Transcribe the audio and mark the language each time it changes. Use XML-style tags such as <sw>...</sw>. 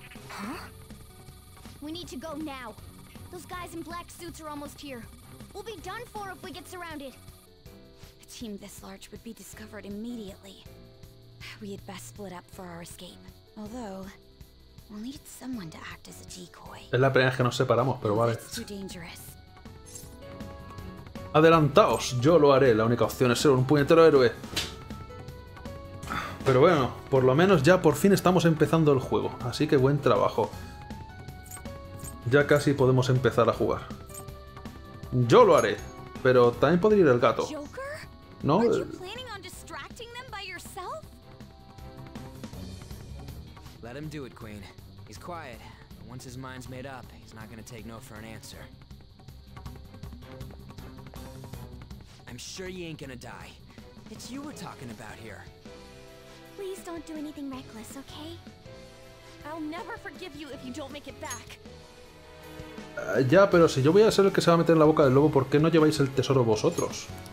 <en>Huh? We need to go now. Those guys in black suits are almost here. We'll be done for if we get surrounded. A team this large would be discovered immediately. We had best split up for our escape. Although, we'll need someone to act as a decoy.</en> <es>Es la primera vez que nos separamos, pero vale.</es> <en>It's too dangerous.</en> <es>Adelantaos, yo lo haré. La única opción es ser un puñetero héroe. Pero bueno, por lo menos ya por fin estamos empezando el juego. Así que buen trabajo. Ya casi podemos empezar a jugar. Yo lo haré. Pero también podría ir el gato. ¿No?</es> <en>Are you planning on distracting them by yourself? Let him do it, Queen. He's quiet, but once his mind's made up, he's not gonna take no for an answer. I'm sure you ain't gonna die. It's you we're talking about here. Please don't do anything reckless, okay? I'll never forgive you if you don't make it back.</en> <es>Ya, pero si yo voy a ser el que se va a meter en la boca del lobo, ¿por qué no lleváis el tesoro vosotros?</es>